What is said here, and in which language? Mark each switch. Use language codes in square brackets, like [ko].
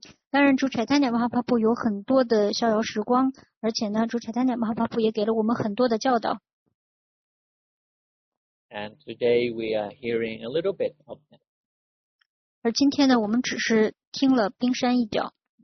[zh] 当然，主柴坦尼马哈帕布有很多的逍遥时光，而且呢，主柴坦尼马哈帕布也给了我们很多的教导。 [en] And today we are hearing a little bit of them. [zh] 而今天呢，我们只是听了冰山一角。